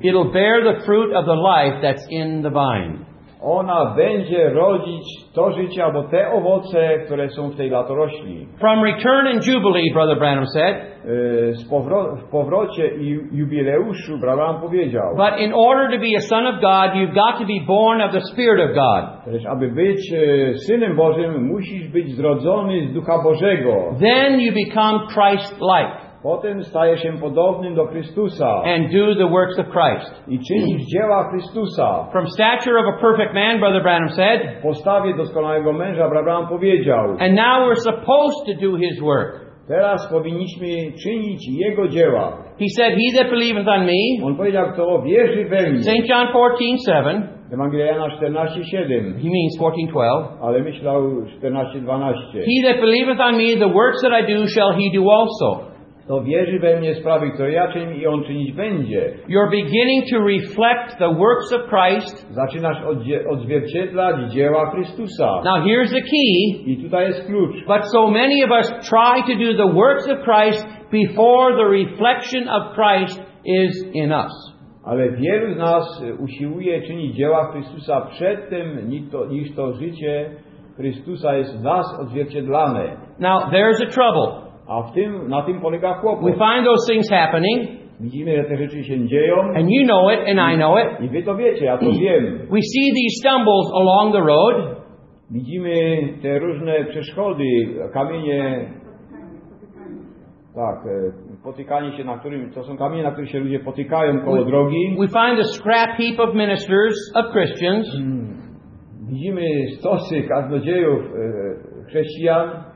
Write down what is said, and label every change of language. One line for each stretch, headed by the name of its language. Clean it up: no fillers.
English: It'll bear the fruit of the life that's in the vine.
Polish: ona będzie rodzić to życie albo te owoce, które są w tej latorośli.
English: From return and jubilee, Brother Branham said.
Polish: W powrocie i jubileuszu, brat Branham powiedział.
English: But in order to be a son of God, you've got to be born of the Spirit of God.
Polish: Lecz aby być synem Bożym, musisz być zrodzony z Ducha Bożego.
English: Then you become Christ-like.
Polish: Potem stajesz się podobnym do Chrystusa.
English: And do the works of Christ.
Polish: I czynisz dzieła Chrystusa.
English: From stature of a perfect man, Brother Branham said.
Polish: W postawie doskonałego męża, brat Branham powiedział.
English: And now we're supposed to do his work.
Polish: Teraz powinniśmy czynić jego dzieła.
English: He said, he that believeth on me.
Polish: On powiedział, kto wierzy we mnie.
English: St. John 14:7.
Polish: Ewangelia Jana 14:7.
English: He means 14:12.
Polish: Ale myślał 14:12.
English: He that believeth on me, the works that I do, shall he do also.
Polish: To wierzy we mnie sprawy, które ja czynię i on czynić będzie.
English: You're beginning to reflect the works of Christ.
Polish: Zaczynasz odzwierciedlać dzieła Chrystusa.
English: Now here's the key.
Polish: I tutaj jest klucz.
English: But so many of us try to do the works of Christ before the reflection of Christ is in us.
Polish: Ale wielu z nas usiłuje czynić dzieła Chrystusa przed tym, niż to życie Chrystusa jest w nas odzwierciedlane.
English: Now there's a trouble.
Polish: A w tym, na tym polega kłopot.
English: We find those things happening.
Polish: Widzimy, że te rzeczy się dzieją.
English: And you know it, and I know it.
Polish: I wy to wiecie, ja to wiem.
English: We see these stumbles along the road.
Polish: Widzimy te różne przeszkody, kamienie. Tak, potykanie się, na którym, to są kamienie, na których się ludzie potykają koło drogi.
English: We find a scrap heap of ministers, of Christians.
Polish: Widzimy stosy kaznodziejów chrześcijan.